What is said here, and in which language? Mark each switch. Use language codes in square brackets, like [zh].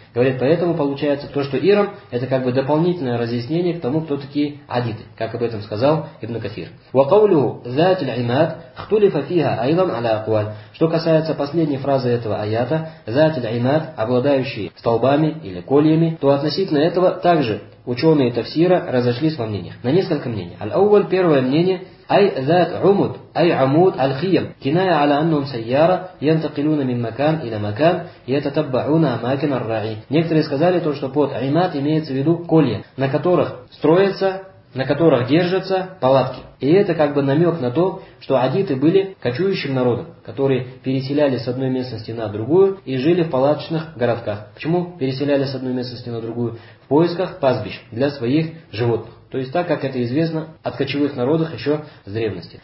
[ru] Говорит, поэтому получается то, что Иром – это как бы дополнительное разъяснение к тому, кто такие адиты, как об этом сказал ибн Касир. [ar] «Вакаулю зятиль имад хтулифа фиха айлам аля акуаль». [ru] Что касается последней фразы этого аята, «зятиль имад, обладающий столбами или кольями», то относительно этого также ученые тафсира разошлись во мнениях. На несколько мнений. [ar] «Аль-Ауваль» – [ru] первое мнение [ar] – أي ذات عمود أي عمود الخيم كناية على أنهم سيارة ينتقلون من مكان إلى مكان يتتبعون أماكن الرعي. [ru] Некоторые сказали то, что под عماد имеется в виду колья, на которых строятся на которых держатся палатки. И это как бы намек на то, что адиты были кочующим народом, которые переселялись с одной местности на другую и жили в палаточных городках. Почему переселялись с одной местности на другую? В поисках пастбищ для своих животных. То есть так, как это известно от кочевых народов еще с древности.